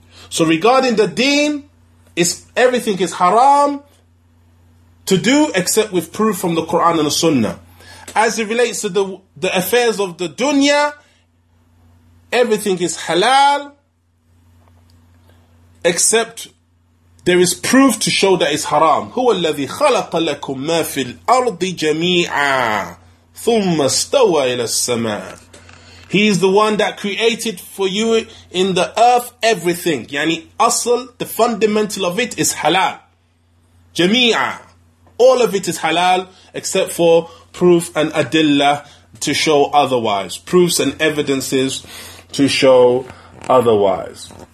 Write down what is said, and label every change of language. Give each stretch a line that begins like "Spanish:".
English: So regarding the deen, everything is haram to do except with proof from the Quran and the Sunnah. As it relates to the affairs of the dunya, everything is halal except there is proof to show that it's haram.
Arabic: هو الذي خلق لكم ما في الأرض جميعا ثم استوى إلى السماء.
English: He is the one that created for you in the earth everything. Yani asl, the fundamental of it is halal. Jami'a. All of it is halal except for proof and adillah to show otherwise. Proofs and evidences to show otherwise.